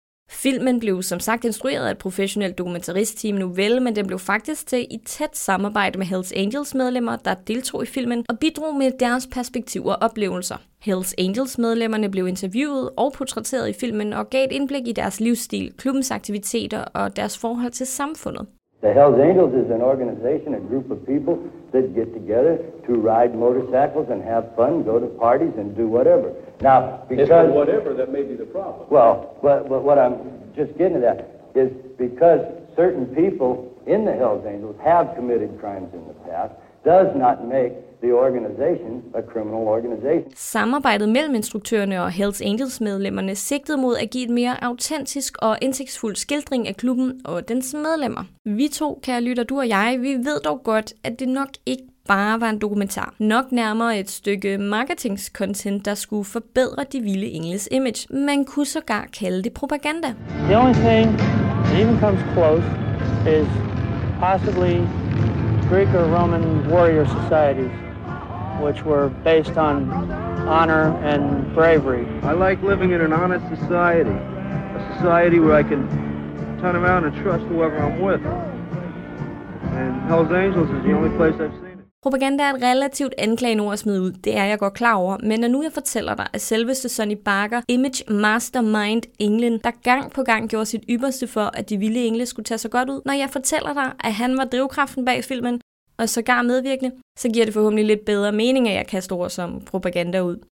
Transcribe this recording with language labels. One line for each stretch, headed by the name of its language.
Danish: Filmen blev som sagt instrueret af et professionelt dokumentaristteam Novel, men den blev faktisk til i tæt samarbejde med Hells Angels medlemmer, der deltog i filmen og bidrog med deres perspektiver og oplevelser. Hells Angels medlemmerne blev interviewet og portrætteret i filmen og gav et indblik i deres livsstil, klubbens aktiviteter og deres forhold til samfundet.
English: The Hells Angels is an organization, a group of people that get together to ride motorcycles and have fun, go to parties and do whatever. Now, because whatever, that may be the problem. Well, but what I'm just getting to that is because certain people in the Hells Angels have committed crimes in the past, does not make the organization a criminal organization.
Danish: Samarbejdet mellem instruktørerne og Hells Angels medlemmerne sigtede mod at give et mere autentisk og indsigtsfuld skildring af klubben og dens medlemmer. Vi to, kære lytter, du og jeg, vi ved dog godt, at det nok ikke bare var en dokumentar. Nok nærmere et stykke marketingscontent, der skulle forbedre De Vilde Engles image. Man kunne sågar kalde det propaganda.
English: The only thing that even comes close is possibly Greek or Roman warrior societies. which were based on honor and bravery. I like living in an honest society, a society where I can turn around and trust whoever I'm with. And Hell's Angels is the only place I've seen.
Danish: Propaganda er et relativt anklagende ord at smide ud, det er jeg godt klar over, men når nu jeg fortæller dig, at selveste Sonny Barker, image mastermind englen, der gang på gang gjorde sit ypperste for, at de vilde engle skulle tage sig godt ud, når jeg fortæller dig, at han var drivkraften bag filmen, og sågar medvirkende, så giver det forhåbentlig lidt bedre mening, at jeg kaster ord som propaganda ud.